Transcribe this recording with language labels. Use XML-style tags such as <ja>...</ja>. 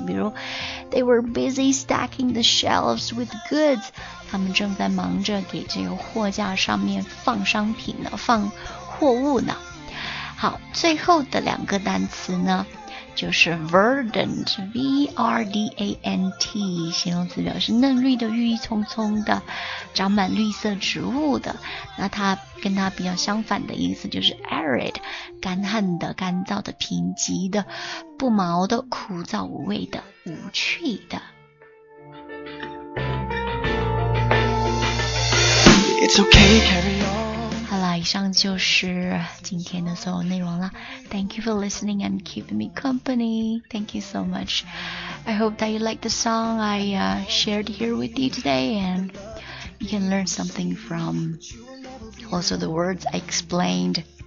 <zh>比如</zh> <en>，They were busy stacking the shelves with goods。</en> <zh>他们正在忙着给这个货架上面放商品呢，放货物呢。好，最后的两个单词呢，就是 verdant，V-R-D-A-N-T， 形容词表示嫩绿的、郁郁葱葱的、长满绿色植物的。那它跟它比较相反的意思就是 arid， 干旱的、干燥的、贫瘠的、不毛的、枯燥无味的、无趣的。</zh> <en>It's okay, carry on.</en> <zh>好啦，以上就是今天的所有内容了。</zh> <en>Thank you for listening and keeping me company. Thank you so much. I hope that you like the song I shared here with you today, and you can learn something from also the words I explained.</en>